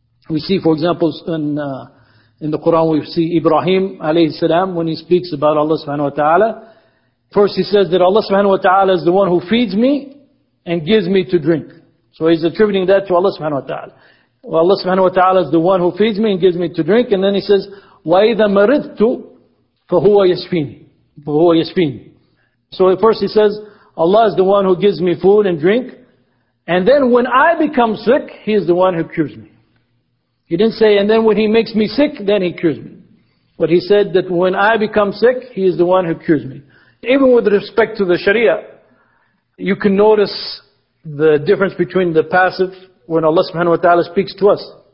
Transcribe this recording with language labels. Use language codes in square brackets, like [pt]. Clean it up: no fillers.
[en] We see, for example, in the Quran, we see Ibrahim alayhi salam when he speaks about Allah subhanahu wa ta'ala. First, he says that Allah subhanahu wa ta'ala is the one who feeds me and gives me to drink. So he's attributing that to Allah subhanahu wa ta'ala. Well, Allah subhanahu wa ta'ala is the one who feeds me and gives me to drink. And then he says, [ar] وَإِذَا مَرِضْتُ فَهُوَ يَشْفِينِ فَهُوَ يَشْفِينِ. [en] So first he says, Allah is the one who gives me food and drink. And then when I become sick, He is the one who cures me. He didn't say, and then when He makes me sick, then He cures me. But He said that when I become sick, He is the one who cures me. Even with respect to the Sharia, you can notice the difference between the passive when Allah subhanahu wa ta'ala speaks to us.